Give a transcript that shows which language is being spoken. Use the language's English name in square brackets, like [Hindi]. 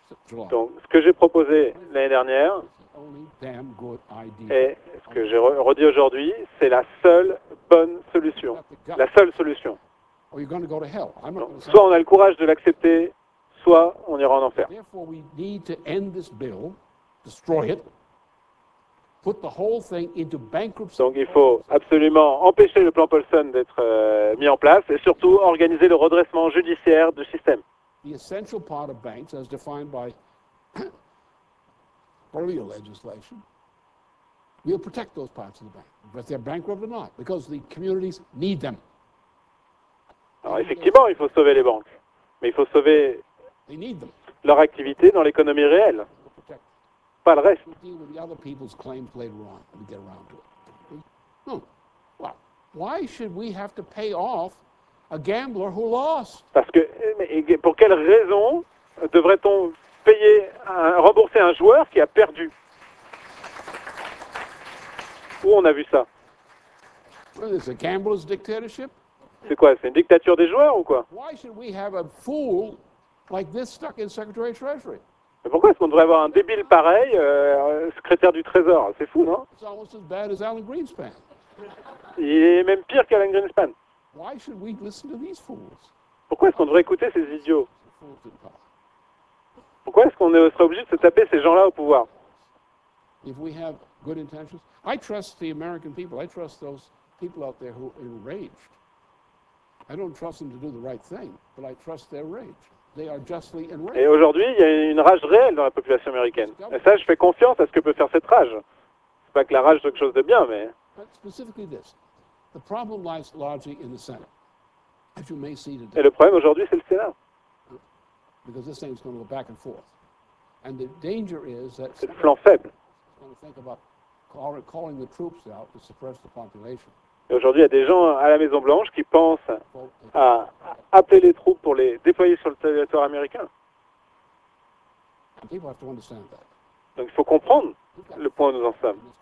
[French] Donc, ce que j'ai proposé l'année dernière et ce que j'ai redit aujourd'hui, c'est la seule bonne solution. La seule solution. Donc, soit on a le courage de l'accepter soit on ira en enfer. [English] Therefore, we need to end this bill, destroy it, put the whole thing into bankruptcy. [French] Donc il faut absolument empêcher le plan Paulson d'être mis en place et surtout organiser le redressement judiciaire du système. [English] The essential part of banks, as defined by earlier legislation, we'll protect those parts of the bank, whether they're bankrupt or not, because the communities need them. [French] Alors effectivement, il faut sauver les banques, mais il faut sauver leur activité dans l'économie réelle, pas le reste. [English] We'll deal with the other people's claims later on. We get around to it. Well, why should we have to pay off a gambler who lost? [French] Parce que pour quelle raison devrait-on payer, rembourser un joueur qui a perdu? Où on a vu ça? [English] Well, it's a gambler's dictatorship. [French] C'est quoi? C'est une dictature des joueurs ou quoi? [English] Why should we have a fool like this stuck in Secretary of Treasury? [French] Mais pourquoi est-ce qu'on devrait avoir un débile pareil, secrétaire du Trésor? C'est fou, non? [English] It's almost as bad as Alan Greenspan. [French] Il est même pire qu'Alan Greenspan. [English] Why should we listen to these fools? [French] Pourquoi est-ce qu'on devrait écouter ces idiots? Pourquoi est-ce qu'on serait obligé de se taper ces gens-là au pouvoir? [English] If we have good intentions, I trust the American people. I trust those people out there who are enraged. I don't trust them to do the right thing, but I trust their rage. They are justly enraged. [French] Et aujourd'hui, il y a une rage réelle dans la population américaine. Et ça, je fais confiance à ce que peut faire cette rage. C'est pas que la rage soit quelque chose de bien, mais. [English] But specifically this, the problem lies largely in the Senate, as you may see today. [French] Et le problème aujourd'hui, c'est le Sénat. [English] Because this thing is going to go back and forth, and the danger is that. [French] C'est le flanc faible. [English] When you think about calling the troops out to suppress the population. [French] Et aujourd'hui, il y a des gens à la Maison-Blanche qui pensent à appeler les troupes pour les déployer sur le territoire américain. Donc il faut comprendre le point où nous en sommes.